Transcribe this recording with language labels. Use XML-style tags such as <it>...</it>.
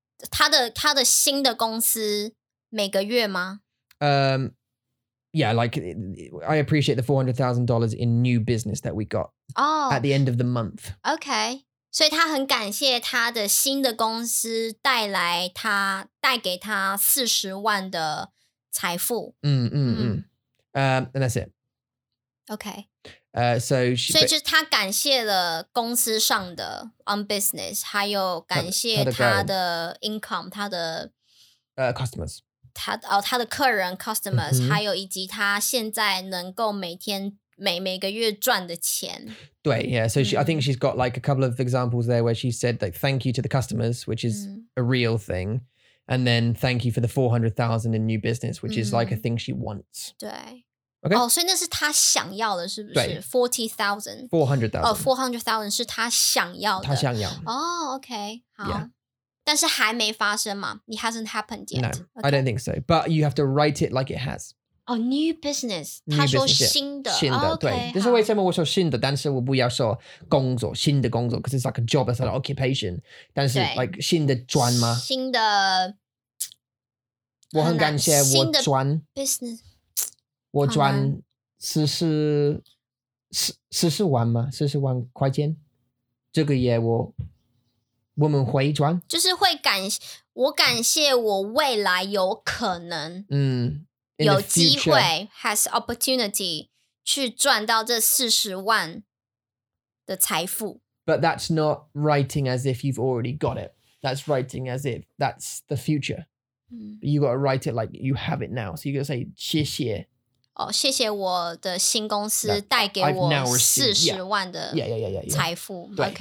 <zh>他的新的公司每个月吗？</zh> <en>Yeah, like, I appreciate the $400,000 in new business that we got at the end of the month. Okay.</en> <zh>所以他很感谢他的新的公司带给他40万的财富。</zh> <en>And that's it. Okay. So</en> <zh>就是他感谢了公司上的</zh> <en>on business,</en> <zh>还有感谢他的income, 他的 customers. 他的客人 customers, mm-hmm. 还有以及他现在能够每天 每个月赚的钱。对,</zh> <en>yeah, so I think she's got like a couple of examples there where she said like thank you to the customers, which is a real thing, and then thank you for the 400,000 in new business, which is like a thing she wants.</en> <zh>对。Okay? 哦,所以那是她想要的是不是?</zh> <en>40,000? 400,000.</en> <zh>400,000是她想要的。她想要。Oh, okay, 好。但是还没发生吗?</zh> <en>It hasn't happened yet. No, okay. I don't think so, but you have to write it like it has. Oh, new business. New business,</en> <zh>新的, oh, okay, 为什么我说新的, 但是我不要说工作,新的工作,</zh> <en>because it's like a job, it's like an occupation.</en> <zh>但是, like, 新的专吗? 新的... 我很感谢我专...</zh> <en>Business.</en> <zh>我专40万吗? 40万块钱?这个月我...我们会专? 就是会感...我感谢我未来有可能...</zh> <en>In</en> <zh>有机会</zh> <en>has opportunity</en> <zh>去赚到这40万的财富.</zh> <en>But that's not writing as if you've already got it. That's writing as if that's the future. You got to write it like you have it now. So you got to say 谢谢.</en> <zh>Oh, 谢谢我的新公司带给我40万的财富.</zh>